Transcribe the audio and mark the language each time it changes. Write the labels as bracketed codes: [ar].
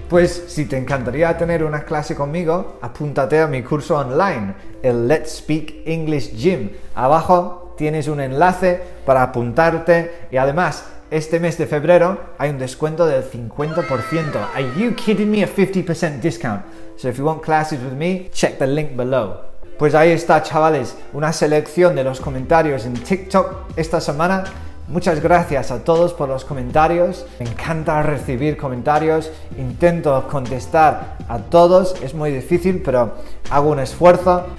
[es] Pues si te encantaría tener una clase conmigo, apúntate a mi curso online, el Let's Speak English Gym. Abajo tienes un enlace para apuntarte. Y además, este mes de febrero hay un descuento del 50%. [en] Are you kidding me? A 50% discount. So if you want classes with me, check the link below. [es] Pues ahí está, chavales, una selección de los comentarios en TikTok esta semana. Muchas gracias a todos por los comentarios. Me encanta recibir comentarios. Intento contestar a todos. Es muy difícil, pero hago un esfuerzo.